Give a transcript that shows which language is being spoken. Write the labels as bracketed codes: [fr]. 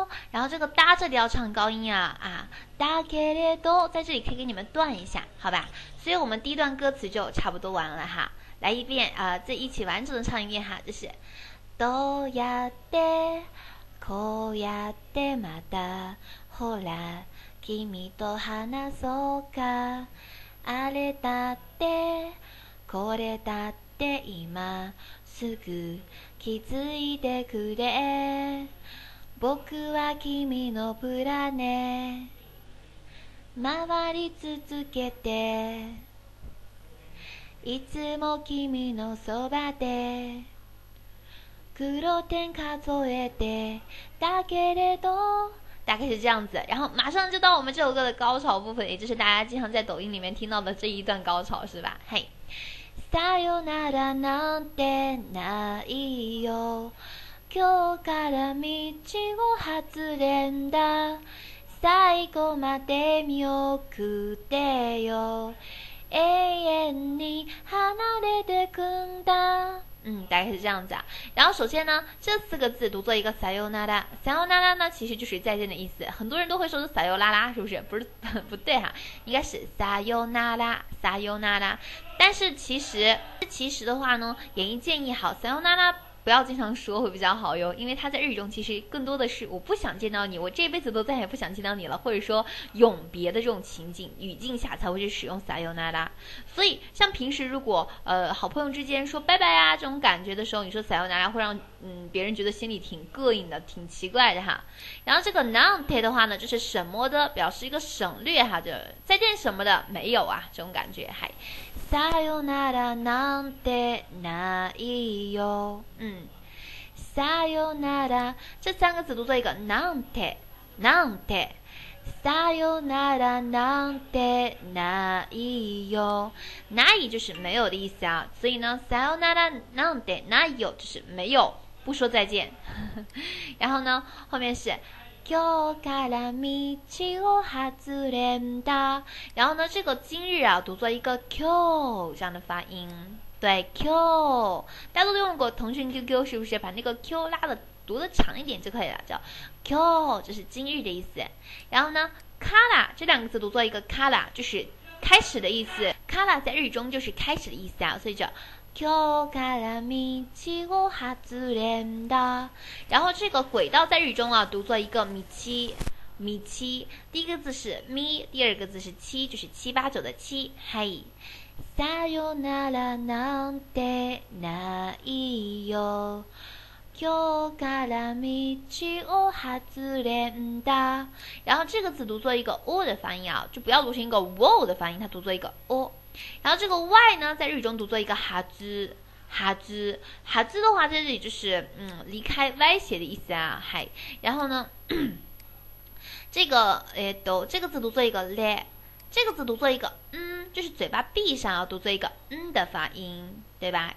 [zh] 然后这个搭这里要唱高音啊啊， [ja] だけれど [zh] 在这里可以给你们断一下，好吧？所以我们第一段歌词就差不多完了哈，来一遍啊，这一起完整的唱一遍哈，就是 [ja] どうやってこうやってまたほら君と話そうか、あれだってこれだって今すぐ気づいてくれ、僕は君のプラネ回り続けて、いつも君のそばで黒点数えてだけれど， [zh] 大概是这样子，然后马上就到我们这首歌的高潮部分，也就是大家经常在抖音里面听到的这一段高潮，是吧？嘿， [ja] さよならなんてないよ、今日から道を外れんだ、最後まで見送ってよ、永遠に離れてくんだ。 [zh] 大概是这样子啊。然后首先呢，这四个字读作一个 sayonara， sayonara 呢其实就是再见的意思，很多人都会说是 sayonara， 是不是？不是，不对哈，应该是 sayonara， sayonara。但是其实的话呢，演绎建议好 sayonara 不要经常说会比较好哟，因为它在日语中其实更多的是我不想见到你，我这辈子都再也不想见到你了，或者说永别的这种情景语境下才会去使用 sayonara。所以像平时如果好朋友之间说拜拜啊这种感觉的时候，你说 sayonara 会让别人觉得心里挺膈应的，挺奇怪的哈。然后这个 nante 的话呢，就是什么的，表示一个省略哈，就再见什么的没有啊这种感觉。还 [ja] さよならなんてないよ。さよなら， [zh] 这三个字读作一个なんて，なんて。 [ja] さよならなんてないよ， [zh] ない就是没有的意思啊，所以呢，さよならなんてないよ就是没有，不说再见。然后呢，后面是 [ja] 今日から道を外れんだ， [zh] 然后呢，这个今日啊，读作一个今日这样的发音。对 ，Q， 大家都用过腾讯 QQ， 是不是？把那个 Q 拉的读的长一点就可以了，叫 Q， 这是今日的意思。然后呢 ，Kara 这两个字读作一个 Kara， 就是开始的意思。 Kara 在日语中就是开始的意思啊，所以叫 [ja] Q Kara mi chi wo hazu ren da。 [zh] 然后这个轨道在日语中啊，读作一个米七。米七，第一个字是咪，第二个字是七，就是七八九的七。嘿， [ja] さよならなんてないよ。今日から道を外れんだ。 [zh] 然后这个字读作一个 o 的发音啊，就不要读成一个 w 的发音，它读作一个 o。然后这个 y 呢，在日语中读作一个哈兹。哈兹，哈兹的话在这里就是离开、歪斜的意思啊。嘿，然后呢？这个这个字读作一个咧，这个字读作一个就是嘴巴闭上要读作一个的发音，对吧？